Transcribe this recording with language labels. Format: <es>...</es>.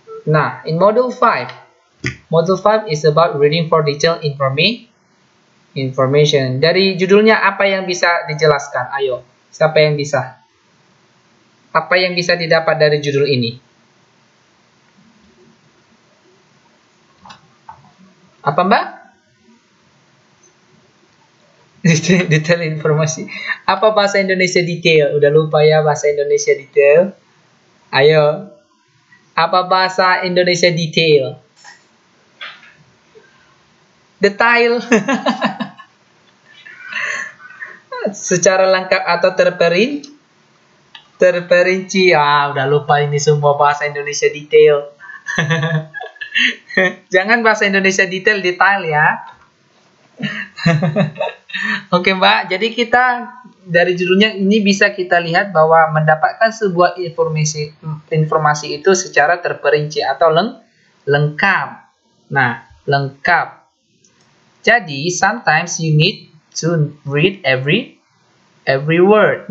<en>Nah, in module 5 is about reading for detailed information.</en> <id>Dari judulnya apa yang bisa dijelaskan? Ayo, siapa yang bisa? Apa yang bisa didapat dari judul ini? Apa, Mbak? Detail informasi. Apa bahasa Indonesia detail? Udah lupa ya bahasa Indonesia detail. Ayo. Apa bahasa Indonesia detail? Detail. Secara lengkap atau terperinci. Ah, udah lupa ini semua bahasa Indonesia detail. Jangan bahasa Indonesia detail ya. Oke, Mbak. Jadi kita dari judulnya ini bisa kita lihat bahwa mendapatkan sebuah informasi itu secara terperinci atau lengkap. Nah, lengkap.</id> <en>Jadi sometimes you need to read every word.</en>